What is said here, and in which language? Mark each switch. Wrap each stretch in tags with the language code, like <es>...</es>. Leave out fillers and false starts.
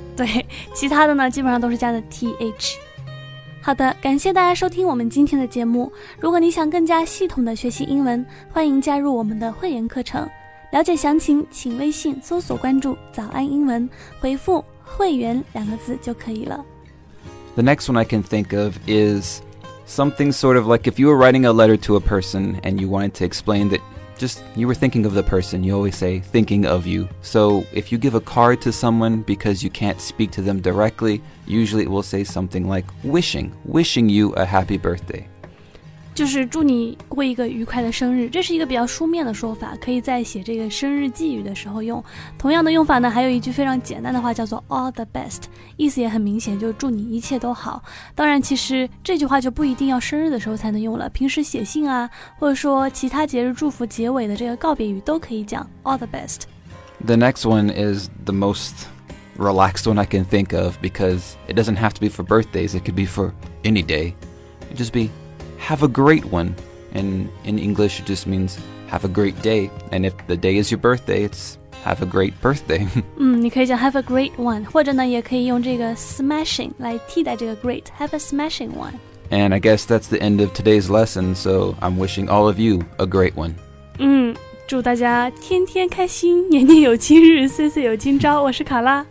<zh>对，其他的呢基本上都是加的 th。好的，感谢大家收听我们今天的节目。如果你想更加系统的学习英文，欢迎加入我们的会员课程，了解详情请微信搜索关注早安英文，回复会员两个字就可以了。</zh> <en>The next one I can think of is something sort of like if you were writing a letter to a person and you wanted to explain thatJust, you were thinking of the person, you always say, thinking of you. So, if you give a card to someone because you can't speak to them directly, usually it will say something like, wishing you a happy birthday.</en> <zh>就是祝你过一个愉快的生日，这是一个比较书面的说法，可以在写这个生日寄语的时候用。同样的用法呢，还有一句非常简单的话叫做</zh> <en>all the best，</en> <zh>意思也很明显，就是祝你一切都好。当然其实这句话就不一定要生日的时候才能用了，平时写信啊，或者说其他节日祝福结尾的这个告别语都可以讲</zh> <en>all the best。 The next one is the most relaxed one I can think of, because it doesn't have to be for birthdays, it could be for any day. It just beHave a great one. And in English, it just means have a great day. And if the day is your birthday, it's have a great birthday.</en> <zh>你可以讲</zh> <en>have a great one.</en> <zh>或者呢也可以用这个 smashing 来替代这个 great.</zh> <en>Have a smashing one. And I guess that's the end of today's lesson. So I'm wishing all of you a great one.</en> <zh>祝大家天天开心，年年有今日，岁岁有今朝。我是卡拉。</zh>